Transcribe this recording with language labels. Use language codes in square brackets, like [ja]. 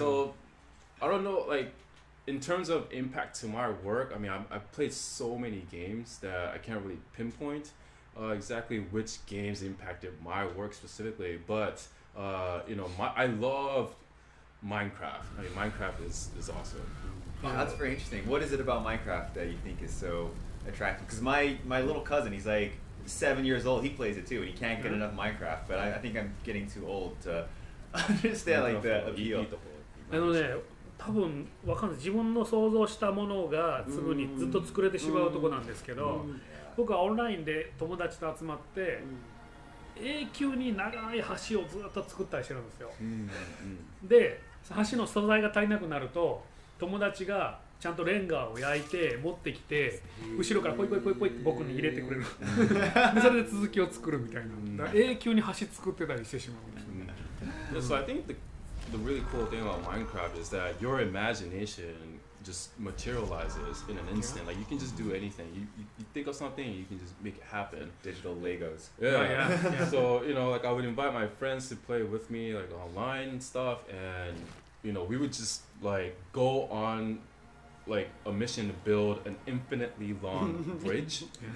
[en] So, I don't know, like, in terms of impact to my work, I mean, I've played so many games that I can't really pinpoint exactly which games impacted my work specifically, but, you know, I love Minecraft. I mean, Minecraft is awesome. Wow, that's very interesting. What is it about Minecraft that you think is so attractive? Because my little cousin, he's like 7 years old, he plays it too, and he can't get enough Minecraft, but I think I'm getting too old to understand, like, the appeal. I know that. [ja] 多分わかんない、自分の想像したものがすぐにずっと作れてしまうとこなんですけど、僕はオンラインで友達と集まって永久に長い橋をずっと作ったりしてるんですよ。で橋の素材が足りなくなると、友達がちゃんとレンガを焼いて持ってきて後ろからポイポイポイポイって僕に入れてくれる。でそれで続きを作るみたいな。だから永久に橋作ってたりしてしまうんですよね。 [en] So I think the the really cool thing about Minecraft is that your imagination just materializes in an instant. Yeah. Like you can just do anything. You think of something, you can just make it happen. Digital Legos. Yeah. So, you know, like I would invite my friends to play with me like online and stuff, and you know, we would just like go on like a mission to build an infinitely long bridge.